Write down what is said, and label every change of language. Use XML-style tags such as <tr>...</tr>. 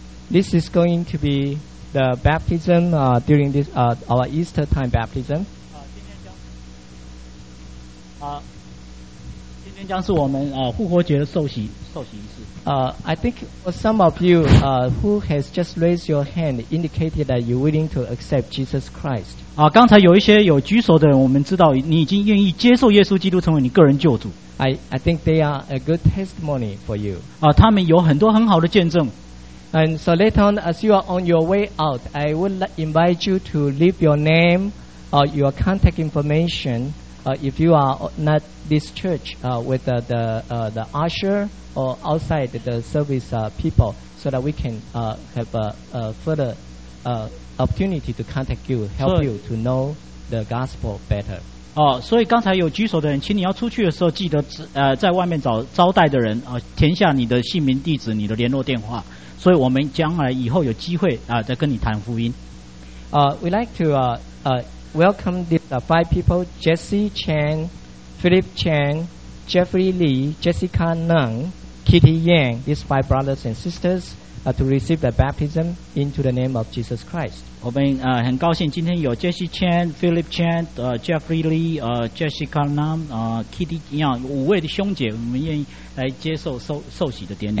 <en>This is going to be the baptism during this our Easter time baptism.</en> <zh>今天将是我们复活节的受洗仪式。</zh> <en>I think for some of you who has just raised your hand indicated that you're willing to accept Jesus Christ.</en> <zh>刚才有一些有举手的人，我们知道你已经愿意接受耶稣基督成为你个人救主。</zh> <en>I think they are a good testimony for you.</en> <zh>他们有很多很好的见证。</zh> <en>And so later on, as you are on your way out, I would invite you to leave your name or your contact information if you are not this church with the usher or outside the service people so that we can have a further opportunity to contact you, help you to know the gospel better.</en> <zh>所以刚才有举手的人，请你要出去的时候记得在外面找招待的人填下你的姓名、地址、你的联络电话。所以我们将来以后有机会再跟你谈福音。</zh> <en>We'd like to welcome these five people: Jesse Chan, Philip Chan, Jeffrey Lee, Jessica Nung, Kitty Yang. These five brothers and sisters to receive the baptism into the name of Jesus Christ.</en> <zh>我们很高兴今天有 Jesse Chan, Philip Chan, Jeffrey Lee, Jessica Nung, Kitty Yang 五位的兄姐，我们愿意来接受受洗的典礼。</zh>